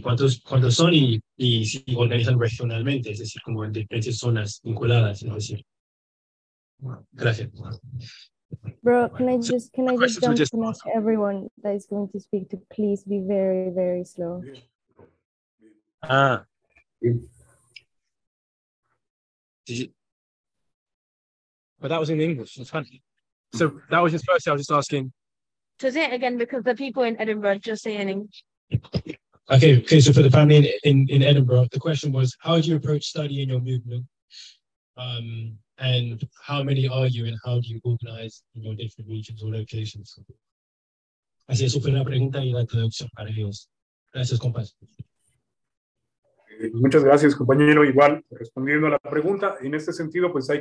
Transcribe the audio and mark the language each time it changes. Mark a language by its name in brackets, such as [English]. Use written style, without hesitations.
[Spanish] cuántos son y si organizan regionalmente, es decir, como en diferentes zonas vinculadas, es decir. Gracias. [English] Bro, can I just jump and ask everyone that is going to speak to please be very, very slow. Ah. But that was in English. It's funny. So that was just first. I was just asking. So say it again, because the people in Edinburgh just say in English. Okay. So for the family in Edinburgh, the question was, how do you approach studying your movement? And how many are you, and how do you organize in your different regions or locations? [Spanish] Así, eso fue la pregunta y la traducción para ellos. Gracias, compas. Muchas gracias, compañero. Igual, respondiendo a la pregunta, en este sentido, pues hay